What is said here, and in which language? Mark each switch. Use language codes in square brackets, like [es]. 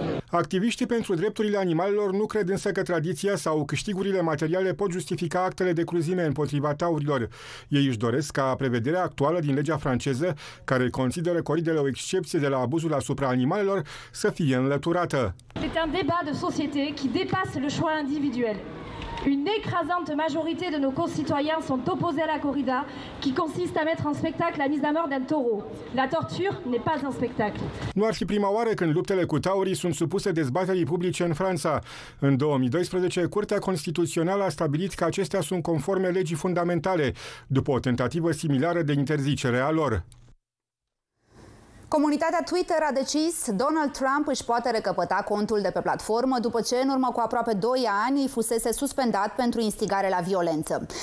[ro] Activiștii pentru drepturile animalelor nu cred însă că tradiția sau câștigurile materiale pot justifica actele de cruzime împotriva taurilor. Ei își doresc ca prevederea actuală din legea franceză, care consideră coridele o excepție de la abuzul asupra animalelor, să fie înlăturată. [fr] C'est un débat de société qui dépasse le choix individuel. Une écrasante majorité de nos concitoyens sont opposés à la corrida, qui consiste à mettre en spectacle la mise à mort d'un taureau. La torture n'est pas un spectacle. [ro] Nu ar fi prima oară când luptele cu taurii sunt supuse dezbaterii publice în Franța. În 2012, Curtea Constituțională a stabilit că acestea sunt conforme legii fundamentale, după o tentativă similară de interzicere a lor. Comunitatea Twitter a decis Donald Trump își poate recăpăta contul de pe platformă după ce, în urmă cu aproape 2 ani, îi fusese suspendat pentru instigare la violență.